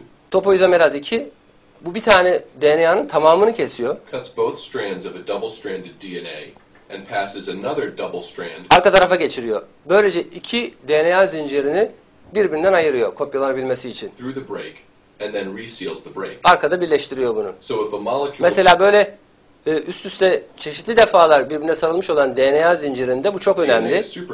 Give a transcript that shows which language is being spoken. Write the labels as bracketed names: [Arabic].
[Turkish] Topoizomeraz 2 bu bir tane DNA'nın tamamını kesiyor. [English] Cuts both strands of a double-stranded DNA and passes another double strand. [Turkish] Arka tarafa geçiriyor. Böylece iki DNA zincirini birbirinden ayırıyor kopyalanabilmesi için. [English] Through the break and then reseals the break. [Turkish] Arkada birleştiriyor bunu. [English] So if a molecule [Turkish] mesela böyle üst üste çeşitli defalar birbirine sarılmış olan DNA zincirinde bu çok önemli.